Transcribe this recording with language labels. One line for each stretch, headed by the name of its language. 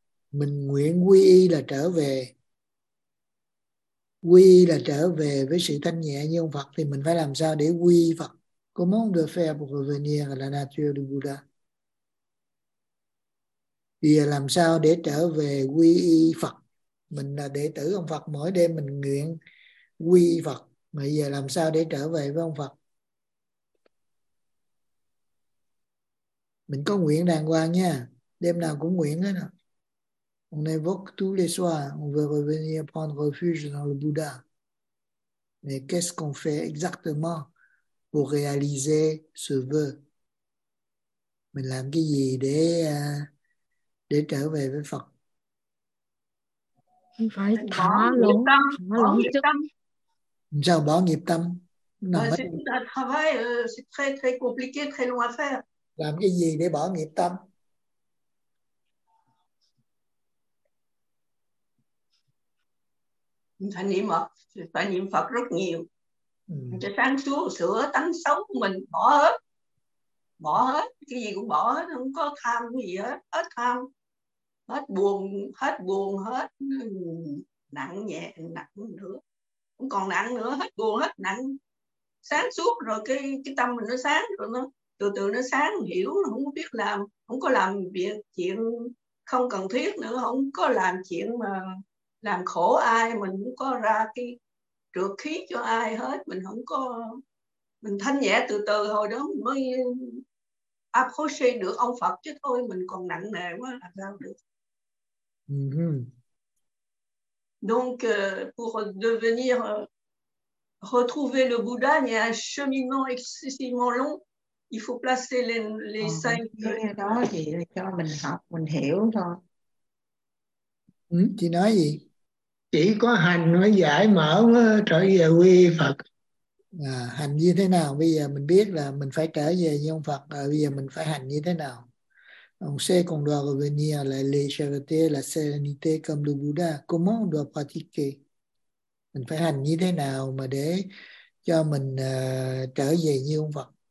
Vietnamese: Mình nguyện quy y là trở về. Quy là trở về với sự thanh nhẹ như ông Phật thì mình phải làm sao để quy Phật?
French: Comment on doit faire pour revenir à la nature du Bouddha?
Vietnamese: Vì làm sao để trở về quy y Phật? Mình là đệ tử ông Phật, mỗi đêm mình nguyện quy Phật. Bây giờ làm sao để trở về với ông Phật? Mình có nguyện đàng hoàng nha, đêm nào cũng nguyện hết rồi.
French: On évoque tous les soirs, on veut revenir prendre refuge dans le Bouddha. Mais qu'est-ce qu'on fait exactement pour réaliser ce vœu?
Vietnamese: Mình làm cái gì để trở về với Phật? Phải thả lỏng chức tâm. Sao bỏ nghiệp tâm?
French: C'est un travail, c'est très très compliqué, très long à faire.
Vietnamese: Làm cái gì để bỏ nghiệp tâm? thành niệm Phật, phải niệm Phật rất nhiều. Cho sáng suốt, sửa tánh sống mình, bỏ hết. Bỏ hết, cái gì cũng bỏ hết, không có tham gì hết, hết tham. Hết buồn, hết nặng nhẹ, nặng nữa. Không còn nặng nữa, hết buồn, hết nặng. Sáng suốt rồi cái tâm mình nó sáng rồi nó. Từ từ nó sáng, hiểu, không biết làm, không có làm việc chuyện không cần thiết nữa, không có làm chuyện mà làm khổ ai, mình cũng có ra cái trược khí cho ai hết, mình không có, mình thanh nhẹ từ từ hồi đó mới approach được ông Phật chứ thôi, mình còn nặng nề quá làm sao được.
French: Donc pour devenir retrouver le Bouddha, il y a un cheminement excessivement long. Il faut placer les cinq.
Vietnamese: Đó chị cho mình học, mình hiểu thôi. Chị nói gì? Chỉ có hành nó giải mở trở về quy Phật. Hành như thế nào? Bây giờ mình biết là mình phải trở về với ông Phật. Bây giờ mình phải hành như thế nào?
French: On sait qu'on doit revenir à la légèreté, à la sérénité comme le Bouddha. Comment on doit pratiquer?
Vietnamese: Mình phải hành như thế nào mà để cho mình trở về như ông Phật?